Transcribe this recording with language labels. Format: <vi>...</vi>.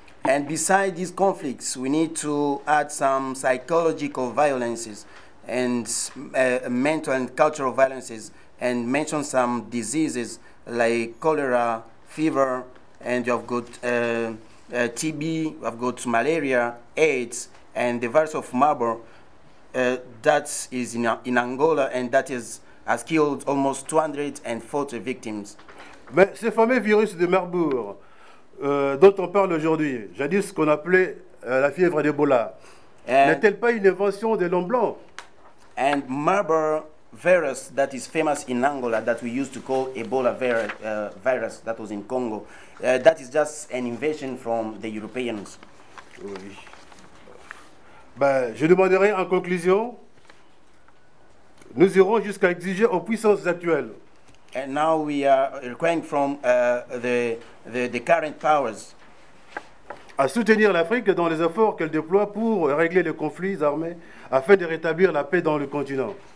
<en>And besides these conflicts, we need to add some psychological violences and mental and cultural violences, and mention some diseases like cholera, fever, and you have got TB, you have got malaria, AIDS, and the virus of Marburg. That is in Angola, and that has killed almost 240 victims.</en> <fr>Mais ce fameux virus de Marburg, dont on parle aujourd'hui, jadis qu'on appelait la fièvre d'Ebola, n'est-elle pas une invention de l'homme blanc?</fr> <en>And Marburg virus that is famous in Angola, that we used to call Ebola virus that was in Congo, that is just an invention from the Europeans.</en> <fr>Oui. Ben, je demanderai en conclusion, nous irons jusqu'à exiger aux puissances actuelles.</fr> <en>And now we are requiring from the current powers</en> <fr>à soutenir l'Afrique dans les efforts qu'elle déploie pour régler les conflits armés afin de rétablir la paix dans le continent.</fr>